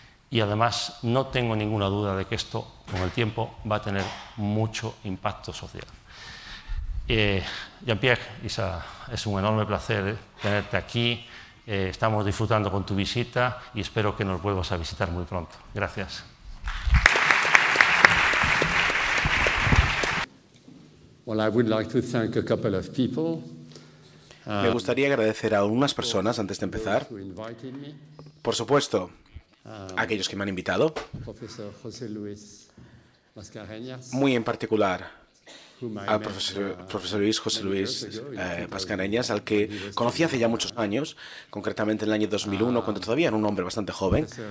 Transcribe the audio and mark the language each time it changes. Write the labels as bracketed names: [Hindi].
[Spanish] Y además, no tengo ninguna duda de que esto, con el tiempo, va a tener mucho impacto social. Jean-Pierre, Isa, es un enorme placer tenerte aquí. Estamos disfrutando con tu visita y espero que nos vuelvas a visitar muy pronto. Gracias. [English] Well, I would like to thank a couple of people. [Spanish] Me gustaría agradecer a unas personas antes de empezar. Por supuesto, aquellos que me han invitado. Profesor José Luis Mascareñas. Muy en particular al profesor Luis José Luis Mascareñas, al que conocí hace ya muchos años, concretamente en el año 2001, cuando todavía era un hombre bastante joven.